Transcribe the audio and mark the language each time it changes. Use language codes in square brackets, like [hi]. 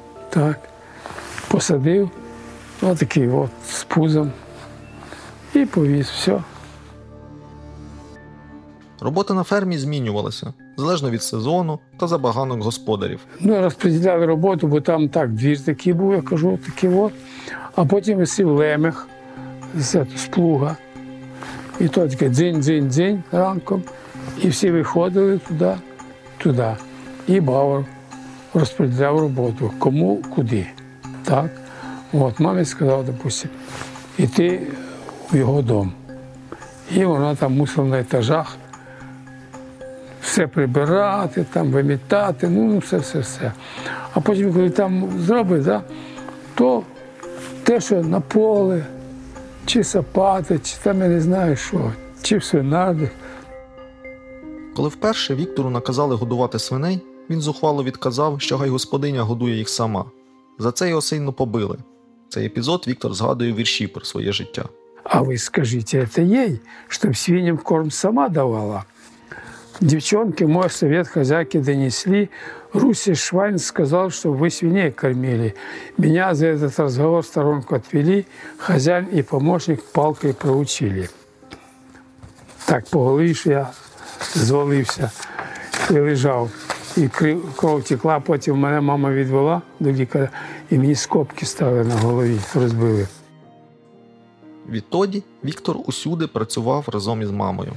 [uk] Так, посадив. Ось такий от з пузом. І повіз, все. Робота на фермі змінювалася, залежно від сезону та забаганок господарів. Ну, розподіляли роботу, бо там так, двір такий був, я кажу, такий от. А потім висів лемех з плуга. І то таке дзинь-дзинь-дзинь ранком. І всі виходили туди. І бавор розподіляв роботу, кому, куди. Так. От, мамі сказав, допустим, іти в його дом. І вона там мусила на етажах все прибирати, там вимітати, ну все-все-все. А потім, коли там зробить, да, то те, що на поле, чи сапати, чи там я не знаю що, чи в свинарник. Коли вперше Віктору наказали годувати свиней, він зухвало відказав, що хай господиня годує їх сама. За це його сильно побили. Цей епізод Віктор згадує у вірші про своє життя. А ви скажіть, це їй, щоб свиням корм сама давала? Дівчонки, мої совет хазяки донесли, Руси Швайн сказав, щоб ви свиней кормили. [ru] Меня за этот разговор в сторонку отвели, хазяин і помощник палкою проучили. [uk] Так, по голові ж я звалився і лежав. І кров текла, потім мене мама відвела до лікаря, і мені скобки стали на голові, розбили. Відтоді Віктор усюди працював разом із мамою.